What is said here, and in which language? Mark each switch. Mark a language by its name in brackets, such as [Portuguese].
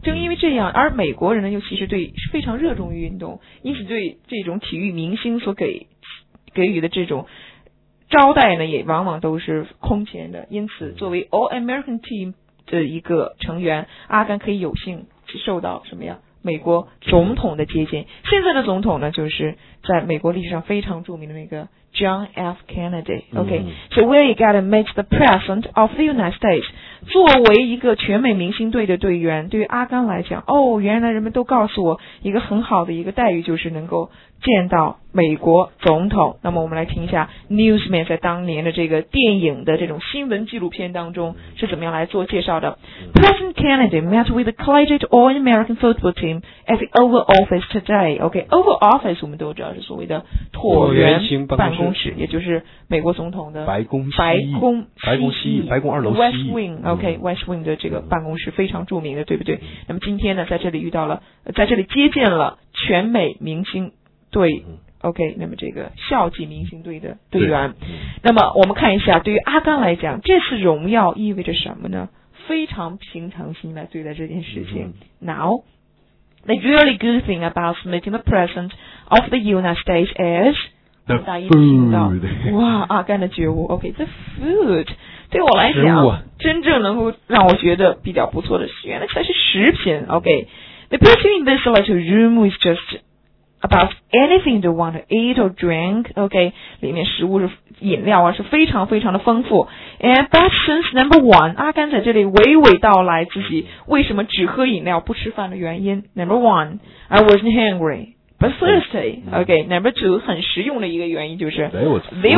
[Chinese] 正因为这样，而美国人呢，又其实对非常热衷于运动，因此对这种体育明星所给予的这种招待呢，也往往都是空前的。因此，作为 All American Team 的一个成员，阿甘可以有幸。受到什么呀？美国总统的接见。现在的总统呢，就是在美国历史上非常著名的那个 John F. [English] Kennedy。 OK,、嗯、 so we got to meet the President of the United States. [Chinese] 作为一个全美明星队的队员，对于阿甘来讲，哦，原来人们都告诉我一个很好的一个待遇，就是能够见到美国总统。那么我们来听一下 Newsman 在当年的这个电影的这种新闻纪录片当中是怎么样来做介绍的。 [English] President Kennedy met with the collegiate All-American football team at the Oval Office today. [Chinese] OK, Oval Office 我们都知道是所谓的椭圆办公室，也就是美国总统的白宫西翼 West Wing. OK, West Wing 的这个办公室非常著名的，对不对？那么今天呢，在这里遇到了，在这里接见了全美明星队。 OK, 那么这个校级明星队的队员，那么我们看一下，对于阿甘来讲，这次荣耀意味着什么呢？非常平常心来对待这件事情。 [English] Now, the really good thing about meeting the President of the United States is the [Chinese] food. 哇，阿甘的觉悟。OK, the food 对我来讲，真正能够让我觉得比较不错的，原来才是食品。 [English] OK, they put you in this little room is just. About anything you want to eat or drink, okay? [Chinese] 里面食物是饮料啊，是非常非常的丰富。 [English] And but since number one, [Chinese] 阿甘在这里娓娓道来自己为什么只喝饮料不吃饭的原因。 [English] Number one, I wasn't hungry, but thirsty. Okay, number two, [Chinese] 很实用的一个原因就是 [English] they